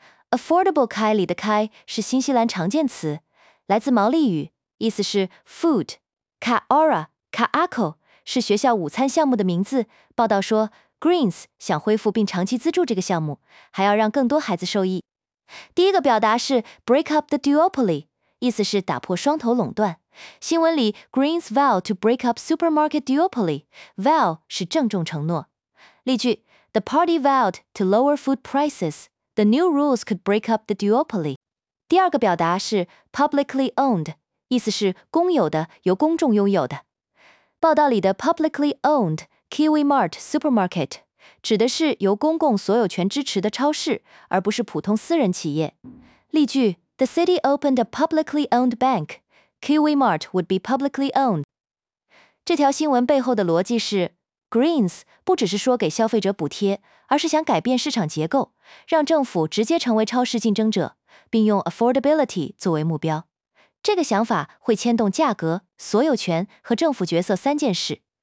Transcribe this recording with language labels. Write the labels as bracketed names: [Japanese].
[Chinese] Affordable Kai 里的 Kai 是新西兰常见词，来自毛利语，意思是 food。 Ka Ora Ka Ako 是学校午餐项目的名字，报道说 Greens 想恢复并长期资助这个项目，还要让更多孩子受益。第一个表达是 [English] break up the duopoly， [Chinese] 意思是打破双头垄断。新闻里 [English] Greens vow to break up supermarket duopoly， [Chinese] vow 是郑重承诺。例句， [English] The party vowed to lower food prices， The new rules could break up the duopoly。 [Chinese] 第二个表达是 publicly owned， 意思是公有的，由公众拥有的。报道里的 publicly owned Kiwimart supermarket指的是由公共所有权支持的超市，而不是普通私人企业。例句， [English] The city opened a publicly owned bank. Kiwimart would be publicly owned. [Chinese] 这条新闻背后的逻辑是， Greens 不只是说给消费者补贴，而是想改变市场结构，让政府直接成为超市竞争者，并用 affordability 作为目标。这个想法会牵动价格、所有权和政府角色三件事。